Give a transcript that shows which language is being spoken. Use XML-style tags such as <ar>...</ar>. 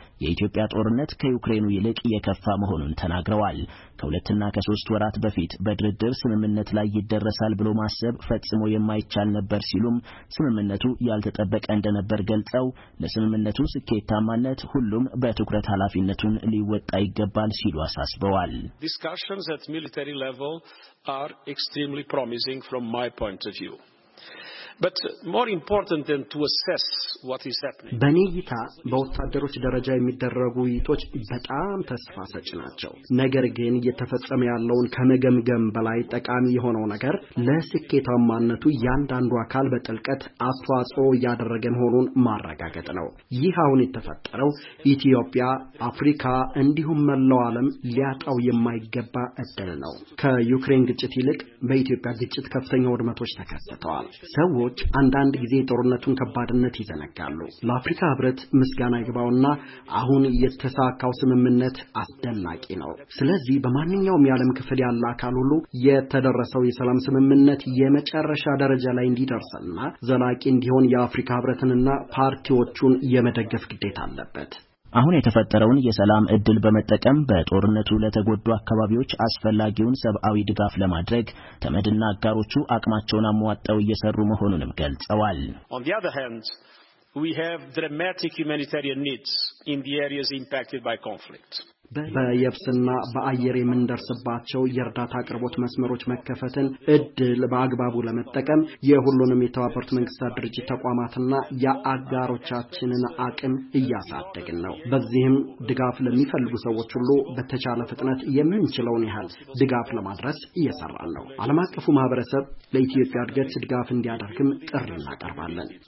<am>የኢትዮጵያ ጦርነት ከዩክሬኑ ይልቅ የከፋ መሆኑን ተናግረዋል። ከሁለትና ከሶስት ወራት በፊት በድርድር ስምምነት ላይ ይደረሳል ብሎ ማሰብ ፈጽሞ የማይቻል ነበር ሲሉም ስምምነቱ ያልተጠበቀ እንደነበር ገልጸው ለስምምነቱ ስኬታማነት ሁሉም በትኩረት ኃላፊነቱን ሊወጣ ይገባል ሲሉ አሳስበዋል።</am> <en>Discussions at military level are extremely promising from my point of view. But more important than to assess what is happening.</en> <am>በኒይቲ በወታደሮች ደረጃ የሚደረጉ ውይይቶች በጣም ተስፋ ሰጭ ናቸው። ነገር ግን የተፈጸመ ያለውን ከመገምገም በላይ ጠቃሚ የሆነው ነገር ለስኬታማነቱ ያንዳንዱ አካል በጥልቀት አስተዋጽኦ ያደረገ መሆኑን ማረጋገጥ ነው። ይህ አሁን የተፈጠረው ኢትዮጵያ፣ አፍሪካ እንዲሁም መላው ዓለም ሊያጣው የማይገባ እድል ነው። ከዩክሬን ግጭት ይልቅ በኢትዮጵያ ግጭት ከፍተኛ ውድመቶች ተከስተዋል። ሰዎች አንዳንድ ጊዜ ጦርነቱን ከባድነት ይዘነጋሉ። ለአፍሪካ ህብረት ምስጋና ይግባውና አሁን የተሳካው ስምምነት አስደናቂ ነው። ስለዚህ በማንኛውም የዓለም ክፍል ያለ አካል ሁሉ የተደረሰው የሰላም ስምምነት የመጨረሻ ደረጃ ላይ እንዲደርስና ዘላቂ እንዲሆን የአፍሪካ ህብረትንና ፓርቲዎቹን የመደገፍ ግዴታ አለበት። አሁን የተፈጠረውን የሰላም እድል በመጠቀም በጦርነቱ ለተጎዱ አካባቢዎች አስፈላጊውን ሰብአዊ ድጋፍ ለማድረግ ተመድና አጋሮቹ አቅማቸውን አሟጠው እየሰሩ መሆኑንም ገልጸዋል።</am> <en>On the other hand, we have dramatic humanitarian needs in the areas impacted by conflict.</en> <am>በየብስና በአየር የምንደርስባቸው የእርዳታ አቅርቦት መስመሮች መከፈትን እድል በአግባቡ ለመጠቀም የሁሉንም የተባበሩት መንግስታት ድርጅት ተቋማትና የአጋሮቻችንን አቅም እያሳደግን ነው። በዚህም ድጋፍ ለሚፈልጉ ሰዎች ሁሉ በተቻለ ፍጥነት የምንችለውን ያህል ድጋፍ ለማድረስ እየሰራን ነው። ዓለም አቀፉ ማህበረሰብ ለኢትዮጵያ እድገት ድጋፍ እንዲያደርግም ጥሪ እናቀርባለን።</am>